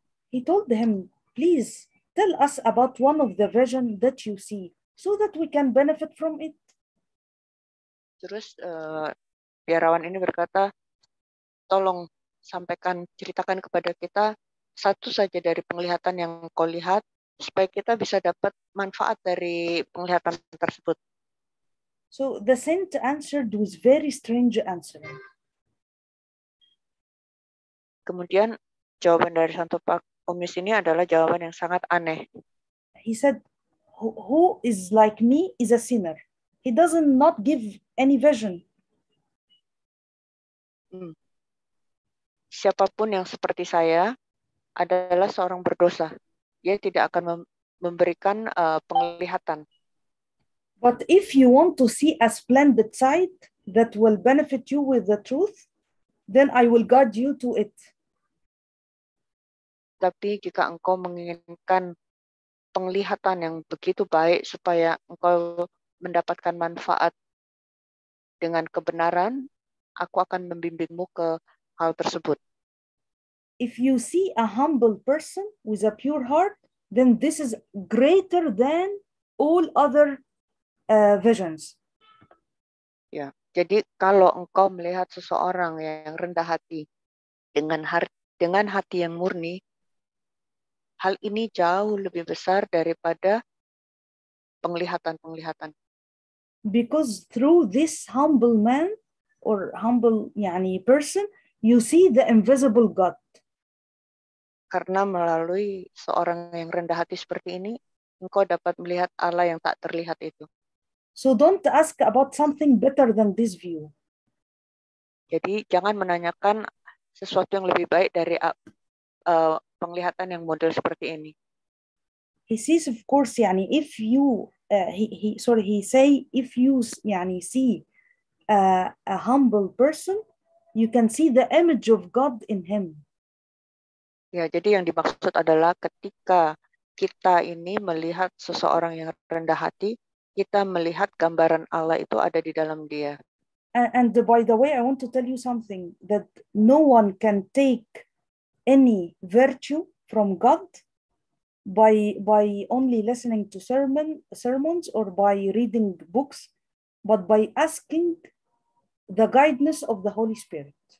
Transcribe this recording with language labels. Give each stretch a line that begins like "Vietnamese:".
English: He told them, please tell us about one of the vision that you see, so that we can benefit from it.
Indonesian: Terus biarawan ini berkata, tolong sampaikan, ceritakan kepada kita satu saja dari penglihatan yang kau lihat, supaya kita bisa dapat manfaat dari penglihatan tersebut.
English: So the saint answered with very strange answer.
Indonesian: Kemudian jawaban dari Santo Pachomius ini adalah jawaban yang sangat aneh.
English: He said, "Who is like me is a sinner. He doesn't not give any vision."
Indonesian: Siapapun yang seperti saya adalah seorang berdosa. Dia tidak akan memberikan penglihatan.
English: But if you want to see a splendid sight that will benefit you with the truth, then I will guide you to it.
Indonesian: Tapi jika engkau menginginkan penglihatan yang begitu baik supaya engkau mendapatkan manfaat dengan kebenaran, aku akan membimbingmu ke hal tersebut.
English: If you see a humble person with a pure heart, then this is greater than all other visions.
Indonesian: Ya, jadi kalau engkau melihat seseorang yang rendah hati dengan hati yang murni, hal ini jauh lebih besar daripada penglihatan-penglihatan.
English: Because through this humble man, or humble yani person, you see the invisible God.
Indonesian: Karena melalui seorang yang rendah hati seperti ini, engkau dapat melihat Allah yang tak terlihat itu.
English: So don't ask about something better than this view.
Indonesian: Jadi jangan menanyakan sesuatu yang lebih baik dari penglihatan yang model seperti ini.
English: He says, of course, yani if you he say if you yani see a humble person, you can see the image of God in him.
Indonesian: Ya, jadi yang dimaksud adalah ketika kita ini melihat seseorang yang rendah hati, kita melihat gambaran Allah itu ada di dalam dia.
English: And by the way, I want to tell you something, that no one can take any virtue from God by only listening to sermons or by reading books, but by asking the guidance of the Holy Spirit.